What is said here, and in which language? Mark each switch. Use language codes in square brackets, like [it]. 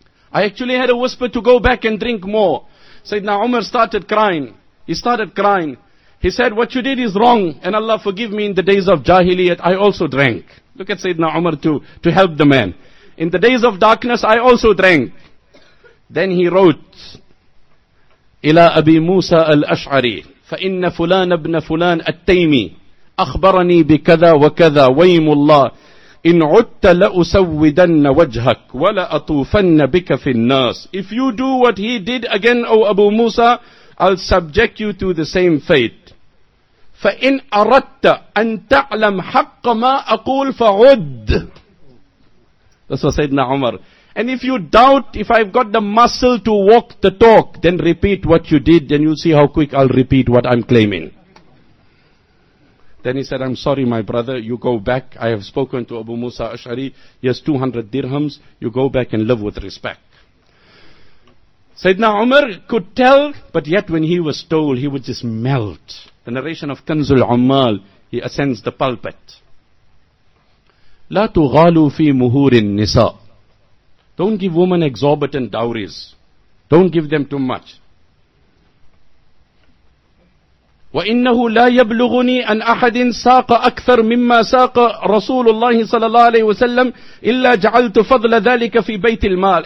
[en] I actually had a whisper to go back and drink more. Sayyidina Umar started crying. He started crying. He said, what you did is wrong. And Allah forgive me, in the days of Jahiliyyah, I also drank. Look at Sayyidina Umar to help the man. In the days of darkness, I also drank. Then he wrote, [ar] إِلَىٰ أَبِي مُوسَىٰ الْأَشْعَرِ فَإِنَّ فُلَانَ ابْنَ فُلَانَ أَتَّيْمِ أَخْبَرَنِي بِكَذَا وَكَذَا وَيْمُ اللَّهِ إِنْ عُدْتَ لَأُسَوِّدَنَّ وَجْهَكْ وَلَا أَطُوفَنَّ بِكَ فِي النَّاسِ. [en] If you do what he did again, O Abu Musa, I'll subject you to the same fate. [ar] فَإِنْ أَرَدْتَ أَنْ تَعْلَمْ حَقَّ مَا أَقُولْ فَعُدْ. [en] That's what Sayyidina Umar. And if you doubt if I've got the muscle to walk the talk, then repeat what you did, then you'll see how quick I'll repeat what I'm claiming. Then he said, I'm sorry, my brother, you go back. I have spoken to Abu Musa Ash'ari. He has 200 dirhams. You go back and live with respect. Sayyidina Umar could tell, but yet when he was told, he would just melt. The narration of Kanzul Ummal, he ascends the pulpit. [ar] لا تغالوا في مهور النساء. [en] Don't give women exorbitant dowries. Don't give them too much. [ar] وَإِنَّهُ لَا يَبْلُغُنِي أَنْ أَحَدٍ سَاقَ أَكْثَرْ مِمَّا سَاقَ رَسُولُ اللَّهِ صَلَى اللَّهِ عَلَيْهِ وَسَلَّمْ إِلَّا جَعَلْتُ فَضْلَ ذَلِكَ فِي بَيْتِ الْمَالِ.